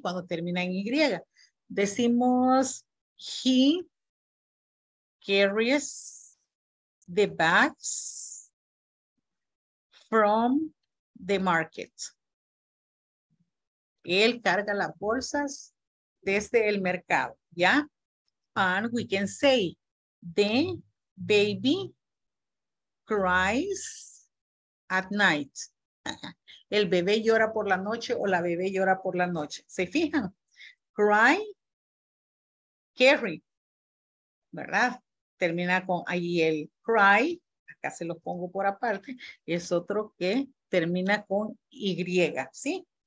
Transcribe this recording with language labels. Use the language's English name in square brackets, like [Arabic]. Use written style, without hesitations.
[Spanish] Cuando termina en Y, decimos, [English] he carries the bags from the market. [Spanish] Él carga las bolsas desde el mercado, ¿ya? [English] And we can say, the baby cries at night. [Spanish] El bebé llora por la noche o la bebé llora por la noche. ¿Se fijan? Cry, carry, ¿verdad? Termina con ahí el cry. Acá se los pongo por aparte. Es otro que termina con Y, ¿sí?